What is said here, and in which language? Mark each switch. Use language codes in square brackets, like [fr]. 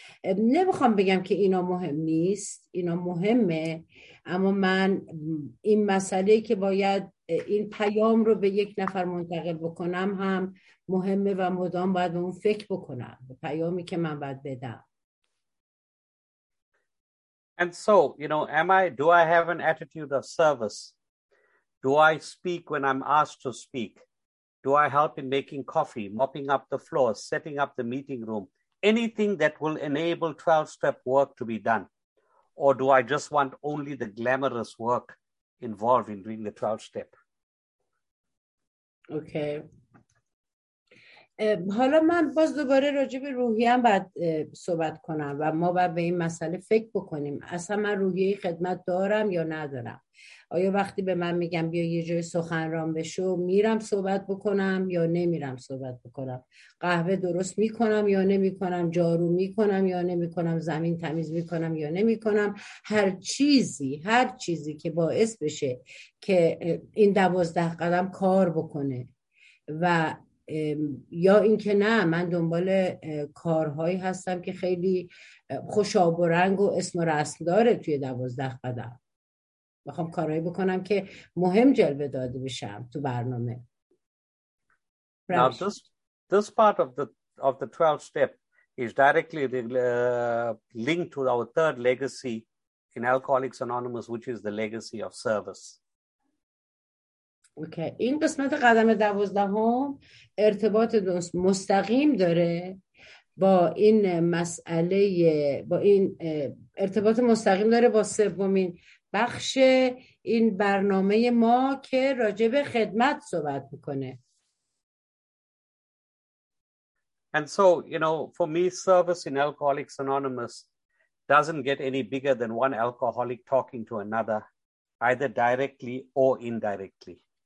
[fa] نمیخوام بگم که اینا مهم نیست، اینا مهمه، اما من این مسئله که باید این پیام رو به یک نفر منتقل بکنم هم مهمه و مدام باید اون فکر بکنم به پیامی که من باید بدم. [en] And so, you know, do I have an attitude of service? Do I speak when I'm asked to speak? Do I help in making coffee, mopping up the floors, setting up the meeting room? Anything that will enable 12-step work to be done? Or do I just want only the glamorous work involved in doing the 12-step? Okay. [fa] حالا من باز دوباره راجع به روحیم باید صحبت کنم و ما باید به این مسئله فکر بکنیم. اصلا من روحیه خدمت دارم یا ندارم؟ آیا وقتی به من میگم بیا یه جای سخنران بشو میرم صحبت بکنم یا نمیرم صحبت بکنم؟ قهوه درست میکنم یا نمیکنم؟ جارو میکنم یا نمیکنم؟ زمین تمیز میکنم یا نمیکنم؟ هر چیزی که باعث بشه که این 12 قدم کار بکنه و یا اینکه نه من دنبال کارهایی هستم که خیلی خوشاب و رنگ و اسم و رسم داره توی 12 قدم، میخوام کارهایی بکنم که مهم جلوه داده بشم تو برنامه. [en] Now this part of the 12th step is directly linked to our third legacy in Alcoholics Anonymous, which is the legacy of service. [fa] اوکی. این قسمت قدم 12 ارتباط مستقیم داره با این مسئله، با این ارتباط مستقیم داره با سومین بخش این برنامه ما که راجع به خدمت صحبت میکنه. [en] And so, you know, for me service in Alcoholics Anonymous doesn't get any bigger than one alcoholic talking to another, either directly or indirectly.